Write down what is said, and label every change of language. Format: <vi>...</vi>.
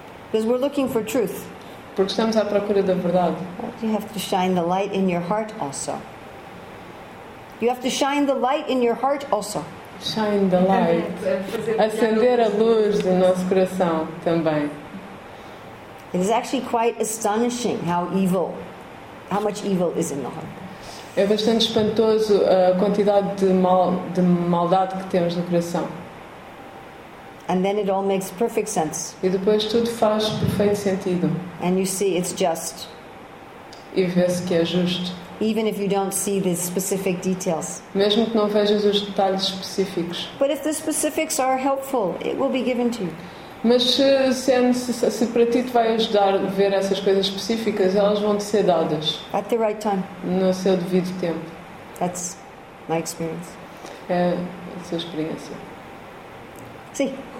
<en>Because we're looking for truth.</en> <pt>Porque estamos à procura da verdade.</pt> <en>You have to shine the light in your heart also. You have to shine the light in your heart also. Shine the light.</en> <pt>Acender a luz do nosso coração também.</pt> <en>It is actually quite astonishing how much evil is in the heart.</en> <pt>É bastante espantoso a quantidade de maldade que temos no coração.</pt> <en>And then it all makes perfect sense.</en> <pt>E depois tudo faz perfeito sentido.</pt> <en>And you see it's just.</en> <pt>E vê-se que é justo.</pt> <en>Even if you don't see the specific details.</en> <pt>Mesmo que não vejas os detalhes específicos.</pt> <en>But if the specifics are helpful, it will be given to you.</en> <pt>Mas se para ti te vai ajudar a ver essas coisas específicas, elas vão te ser dadas.</pt> <en>At the right time.</en> <pt>No seu devido tempo.</pt> <en>That's my experience.</en> <pt>É a sua experiência. Sim.</pt>